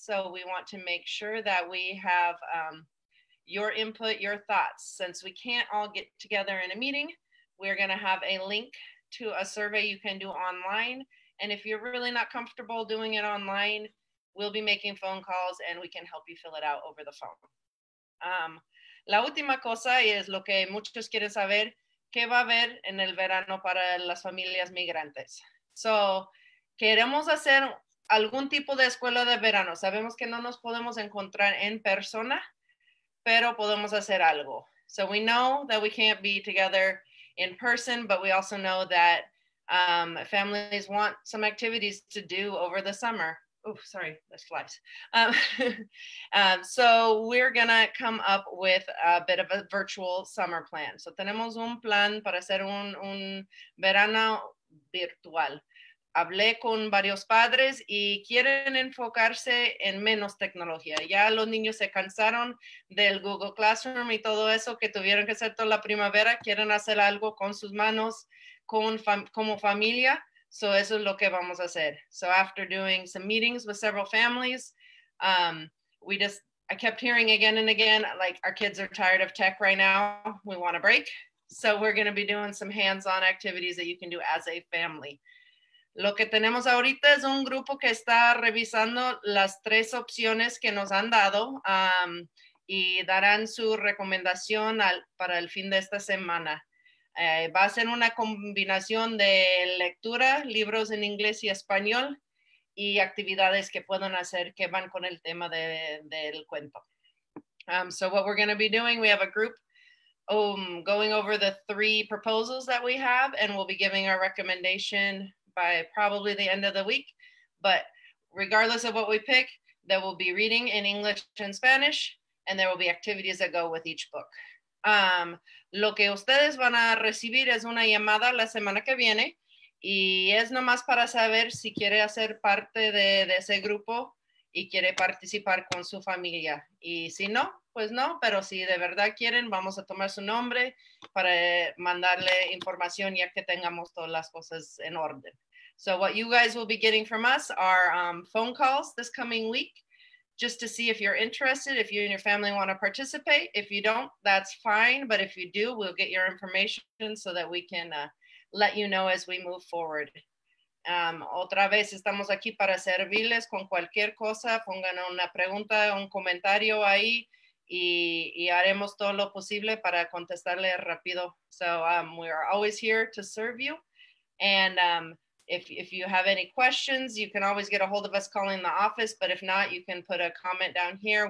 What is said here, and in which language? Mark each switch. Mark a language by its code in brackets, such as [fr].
[en] So we want to make sure that we have your input, your thoughts. Since we can't all get together in a meeting, we're going to have a link to a survey you can do online. And if you're really not comfortable doing it online, we'll be making phone calls and we can help you fill it out over the phone. [es] La última cosa es lo que muchos quieren saber, ¿qué va a haber en el verano para las familias migrantes? So, queremos hacer algún tipo de escuela de verano. Sabemos que no nos podemos encontrar en persona, pero podemos hacer algo. [en] So, we know that we can't be together in person, but we also know that families want some activities to do over the summer. Oh, sorry, there's flies. so we're gonna come up with a bit of a virtual summer plan. [es] So tenemos un plan para hacer un verano virtual. Hablé con varios padres y quieren enfocarse en menos tecnología. Ya los niños se cansaron del Google Classroom y todo eso que tuvieron que hacer toda la primavera. Quieren hacer algo con sus manos, como familia. So eso es lo que vamos a hacer. [en] So after doing some meetings with several families, I kept hearing again and again, like, our kids are tired of tech right now. We want a break. So we're going to be doing some hands-on activities that you can do as a family. [es] Lo que tenemos ahorita es un grupo que está revisando las tres opciones que nos han dado y darán su recomendación para el fin de esta semana. Va a ser una combinación de lectura, libros en inglés y español y actividades que pueden hacer que van con el tema del cuento. [en] So what we're going to be doing, we have a group going over the three proposals that we have and we'll be giving our recommendation by probably the end of the week, but regardless of what we pick, there will be reading in English and Spanish, and there will be activities that go with each book. [es] Lo que ustedes van a recibir es una llamada la semana que viene, y es nomás para saber si quiere hacer parte de ese grupo y quiere participar con su familia. Y si no, pues no, pero si de verdad quieren, vamos a tomar su nombre para mandarle información ya que tengamos todas las cosas en orden. [en] So what you guys will be getting from us are phone calls this coming week, just to see if you're interested, if you and your family want to participate. If you don't, that's fine. But if you do, we'll get your information so that we can let you know as we move forward. [es] Otra vez estamos aquí para servirles con cualquier cosa. Pongan una pregunta, un comentario ahí. Y haremos todo lo posible para contestarle rápido. [en] So we are always here to serve you. And if you have any questions, you can always get a hold of us calling the office. But if not, you can put a comment down here.